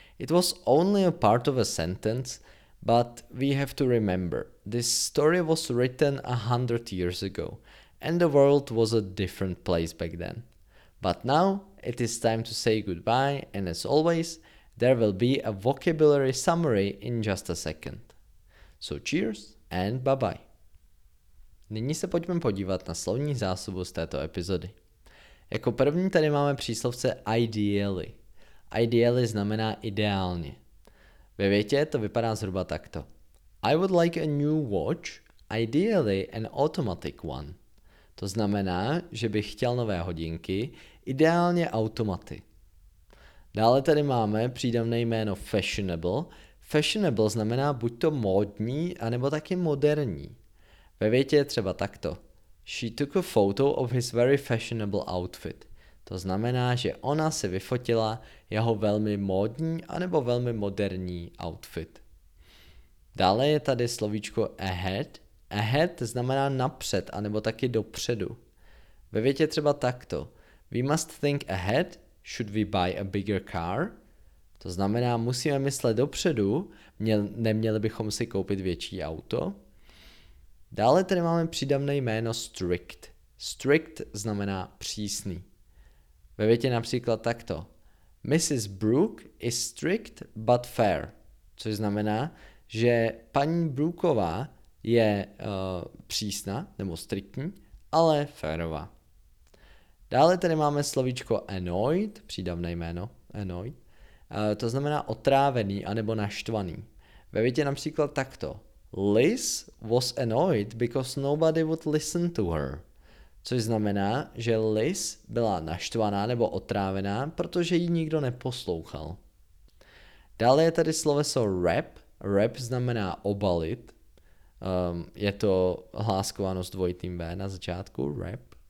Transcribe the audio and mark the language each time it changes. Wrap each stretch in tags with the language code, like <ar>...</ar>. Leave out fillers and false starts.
<en>It was only a part of a sentence, but we have to remember, this story was written 100 years ago, and the world was a different place back then. But now, it is time to say goodbye, and as always, there will be a vocabulary summary in just a second. So cheers and bye-bye.</en> <cs>Nyní se pojďme podívat na slovní zásobu z této epizody. Jako první tady máme příslovce ideally. Ideally znamená ideálně. Ve větě to vypadá zhruba takto.</cs> <en>I would like a new watch, ideally an automatic one.</en> <cs>To znamená, že bych chtěl nové hodinky, ideálně automaty. Dále tady máme přídavné jméno fashionable. Fashionable znamená buď to módní, anebo taky moderní. Ve větě je třeba takto.</cs> <en>She took a photo of his very fashionable outfit.</en> <cs>To znamená, že ona se vyfotila jeho velmi módní anebo velmi moderní outfit. Dále je tady slovíčko ahead. Ahead znamená napřed anebo taky dopředu. Ve větě třeba takto.</cs> <en>We must think ahead, should we buy a bigger car?</en> <cs>To znamená, musíme myslet dopředu, neměli bychom si koupit větší auto. Dále tady máme přídavné jméno strict. Strict znamená přísný. Ve větě například takto.</cs> <en>Mrs. Brooke is strict but fair.</en> <cs>Což znamená, že paní Brooková je přísná nebo striktní, ale fairová. Dále tady máme slovíčko annoyed, přídavné jméno annoyed. To znamená otrávený anebo naštvaný. Ve větě například takto.</cs> <en>Liz was annoyed because nobody would listen to her.</en> <cs>Což znamená, že Liz byla naštvaná nebo otrávená, protože ji nikdo neposlouchal. Dále je tady sloveso rap. Rap znamená obalit. Je to hláskováno s dvojitým V na začátku. Rap.</cs>